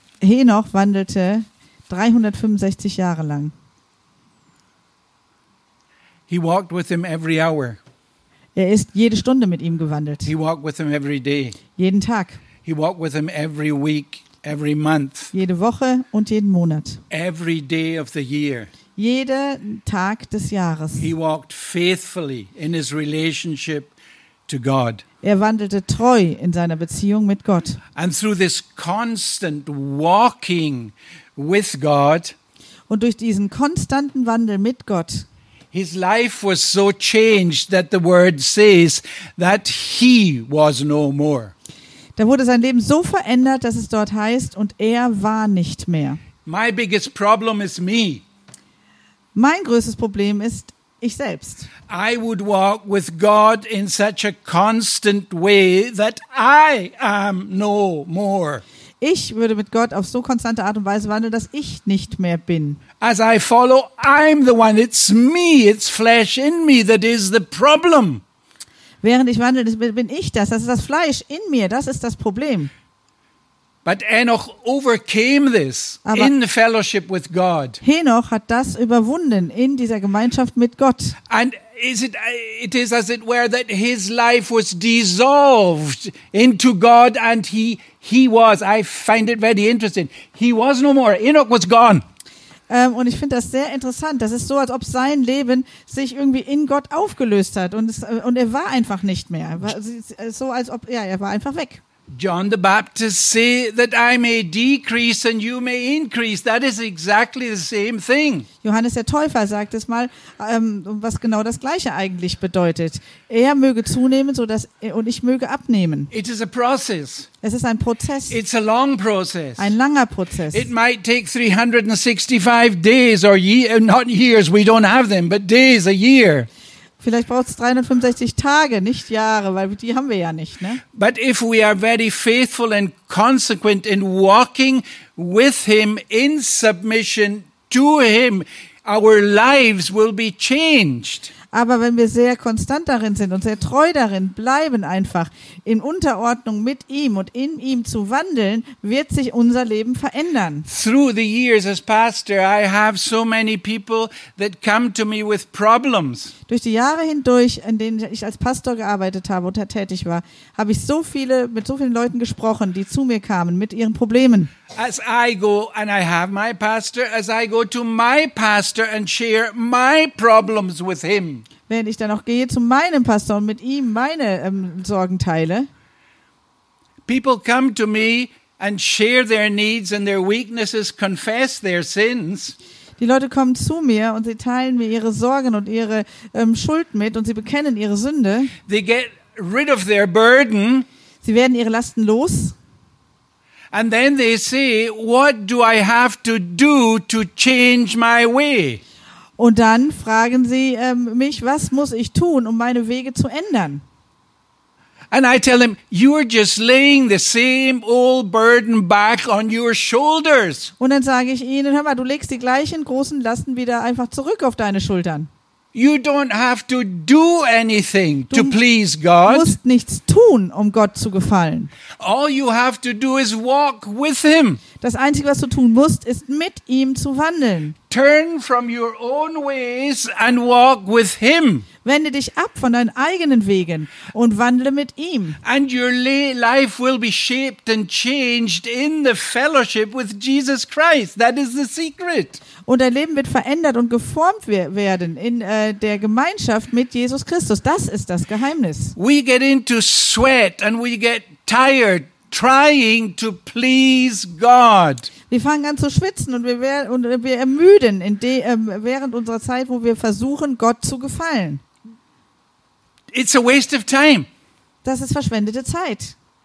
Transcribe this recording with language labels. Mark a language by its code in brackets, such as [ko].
[de] Enoch wandelte 365 Jahre lang. [en] He walked with him every hour. [de] Er ist jede Stunde mit ihm gewandelt. [en] He walked with him every day. [de] Jeden Tag. [en] He walked with him every week, every month. [de] Jede Woche und jeden Monat. [en] Every day of the year. [de] Jeden Tag des Jahres. [en] He walked faithfully in his relationship to God. [de] Er wandelte treu in seiner Beziehung mit Gott. [en] And through this constant walking with God. [de] Und durch diesen konstanten Wandel mit Gott. [en] His life was so changed that the word says that he was no more. [de] Da wurde sein Leben so verändert, dass es dort heißt, und er war nicht mehr. [en] My biggest problem is me. [de] Mein größtes Problem ist ich selbst. [en] I would walk with God in such a constant way that I am no more. [de] Ich würde mit Gott auf so konstante Art und Weise wandeln, dass ich nicht mehr bin. [en] As I follow, I'm the one. It's me. It's flesh in me that is the problem. [de] Während ich wandle, bin ich das. Das ist das Fleisch in mir. Das ist das Problem. [en] But Enoch overcame this in the fellowship with God. [de] Enoch hat das überwunden in dieser Gemeinschaft mit Gott. [en] And it is as it were that his life was dissolved into God, and I find it very interesting. He was no more. Enoch was gone. [de] Und ich finde das sehr interessant. Das ist so, als ob sein Leben sich irgendwie in Gott aufgelöst hat und er war einfach nicht mehr. So als ob, ja, er war einfach weg. [en] John the Baptist say that I may decrease and you may increase. That is exactly the same thing. [de] Johannes der Täufer sagt es mal, was genau das Gleiche eigentlich bedeutet. Er möge zunehmen, so dass und ich möge abnehmen. [en] It is a process. [de] Es ist ein Prozess. [en] It's a long process. [de] Ein langer Prozess. [en] It might take 365 days or not years. We don't have them, but days, a year. [de] Vielleicht braucht es 365 Tage, nicht Jahre, weil die haben wir ja nicht, ne? [en] But if we are very faithful and consequent in walking with him in submission to him, our lives will be changed. [de] Aber wenn wir sehr konstant darin sind und sehr treu darin bleiben, einfach in Unterordnung mit ihm und in ihm zu wandeln, wird sich unser Leben verändern. [en] Through the years as pastor, I have so many people that come to me with problems. [de] Durch die Jahre hindurch, in denen ich als Pastor gearbeitet habe und tätig war, habe ich mit so vielen Leuten gesprochen, die zu mir kamen mit ihren Problemen. [en] As I go and I have my pastor, as I go to my pastor and share my problems with him. [de] Während ich dann auch gehe zu meinem Pastor und mit ihm meine Sorgen teile. [en] People come to me and share their needs and their weaknesses, confess their sins. [de] Die Leute kommen zu mir und sie teilen mir ihre Sorgen und ihre Schuld mit und sie bekennen ihre Sünde. [en] They get rid of their burden. [de] Sie werden ihre Lasten los. [en] And then they say, what do I have to do to change my way? [de] Und dann fragen sie mich, was muss ich tun, um meine Wege zu ändern? [en] And I tell them, you are just laying the same old burden back on your shoulders. [de] Und dann sage ich ihnen, hör mal, du legst die gleichen großen Lasten wieder einfach zurück auf deine Schultern. [en] You don't have to do anything to please God. [de] Du musst nichts tun, um Gott zu gefallen. [en] All you have to do is walk with him. [de] Das Einzige, was du tun musst, ist mit ihm zu wandeln. [en] Turn from your own ways and walk with him. [de] Wende dich ab von deinen eigenen Wegen und wandle mit ihm. [en] And your life will be shaped and changed in the fellowship with Jesus Christ. That is the secret. [de] Und dein Leben wird verändert und geformt werden in der Gemeinschaft mit Jesus Christus. Das ist das Geheimnis. [en] We get into sweat and we get tired trying to please God. [de] Wir fangen an zu schwitzen und wir ermüden während unserer Zeit, wo wir versuchen, Gott zu gefallen. [en] It's a waste of time. [de] Das ist verschwendete Zeit.